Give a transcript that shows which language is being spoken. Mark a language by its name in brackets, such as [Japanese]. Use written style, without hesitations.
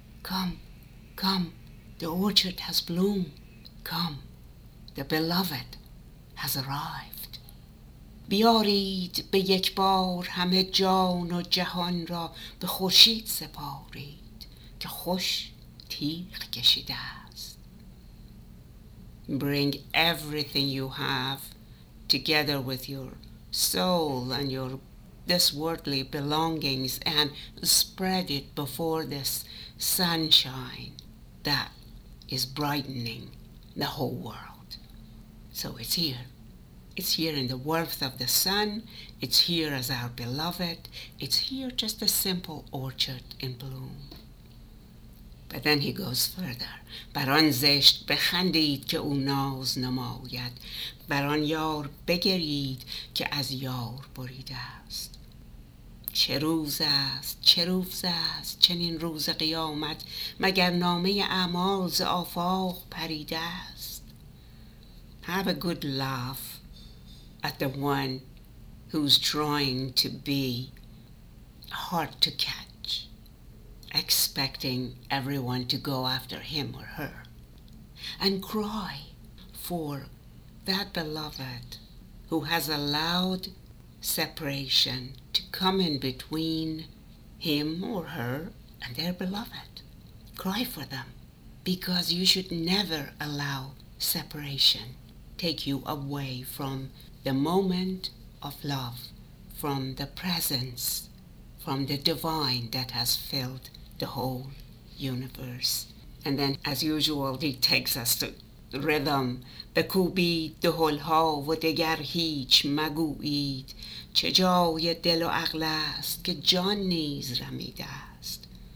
[English] Come, the orchard has bloomed. Come, the beloved has arrived. [Persian] بیارید به یک بار همه جان و جهان را به خورشید سپارید که خوش تیغ کشیده است. [English] Bring everything you have together with your soul and your this worldly belongings and spread it before this sunshine that is brightening the whole world. So it's here. It's here in the warmth of the sun. It's here as our beloved. It's here just a simple orchard in bloom. But then he goes further. [Persian] بران زشت بخندید که او ناز نماید. بران یار بگرید که از یار بریده است. چه روز است چنین روز قیامت مگر نامه اعمال ز آفاق پریده است. [English] Have a good laugh at the one who's trying to be hard to catch, expecting everyone to go after him or her, and cry for that beloved who has allowed separation to come in between him or her and their beloved. Cry for them, because you should never allow separation take you away from the moment of love, from the presence, from the divine that has filled the whole universe. And then, as usual, he takes us to rhythm. [Persian] بکوبید دهل ها و دگر هیچ مگویید چه جای دل و عقل است که جان نیز رمیده است.